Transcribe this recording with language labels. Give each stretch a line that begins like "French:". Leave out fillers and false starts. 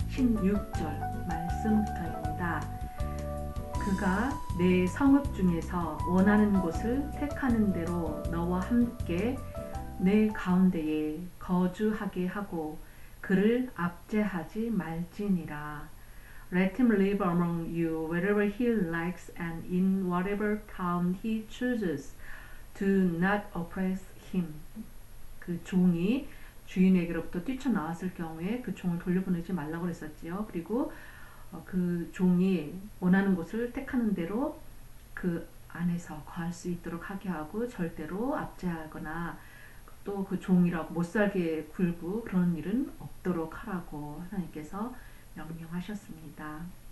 Korean: 16절 말씀부터입니다. 그가 내 성읍 중에서 원하는 곳을 택하는 대로 너와 함께 내 가운데에 거주하게 하고 그를 압제하지 말지니라.
English: Let him live among you wherever he likes and in whatever town he chooses. Do not oppress him.
Korean: 그 종이 주인에게로부터 뛰쳐나왔을 경우에 그 종을 돌려보내지 말라고 했었지요. 그리고 그 종이 원하는 곳을 택하는 대로 그 안에서 거할 수 있도록 하게 하고 절대로 압제하거나 또 그 종이라고 못 살게 굴고 그런 일은 없도록 하라고 하나님께서 명령하셨습니다.